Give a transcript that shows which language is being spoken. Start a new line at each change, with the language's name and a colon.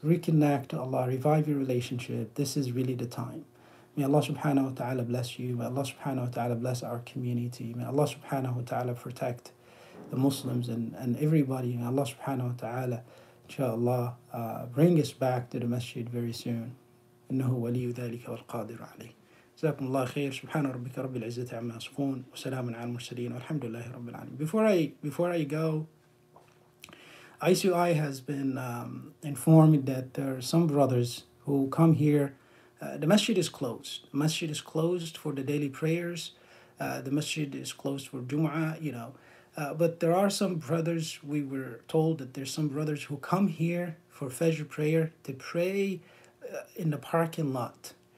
English: Reconnect to Allah, revive your relationship. This is really the time. May Allah subhanahu wa ta'ala bless you. May Allah subhanahu wa ta'ala bless our community. May Allah subhanahu wa ta'ala protect the Muslims and everybody. May Allah subhanahu wa ta'ala, inshallah, bring us back to the masjid very soon.
Arabic: Innahu waliyu dhalika wal qadir alayh. جزاكم الله خير سبحان ربك رب العزة عما يصفون وسلام على المرسلين والحمد لله رب العالمين.
English: Before I go, ICOI has been informed that there are some brothers who come here. The masjid is closed. The masjid is closed for the daily prayers. The masjid is closed for Jum'ah, you know. But there are some brothers, we were told that there's some brothers who come here for Fajr prayer to pray in the parking lot.